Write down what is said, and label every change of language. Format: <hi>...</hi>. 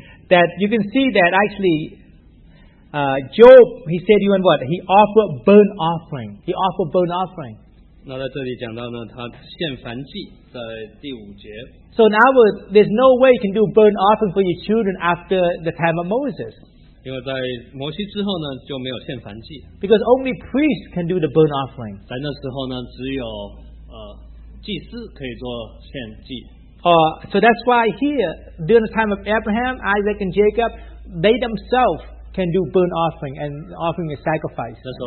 <en>That you can see that actually Job, he said even what? He offered burnt offering. He offered burnt offering.</en> <zh>那在这里讲到呢, 他献燔祭, 在第五节,</zh> <en>so now there's no way you can do burnt offering for your children after the time of Moses.</en> <zh>因为在摩西之后呢,</zh> <en>because only priests can do the burnt offering.</en> <zh>在那时候呢, 只有, 祭司可以做献祭。</zh> <en>So that's why here, during the time of Abraham, Isaac, and Jacob, they themselves can do burnt offering and offering a sacrifice.</en>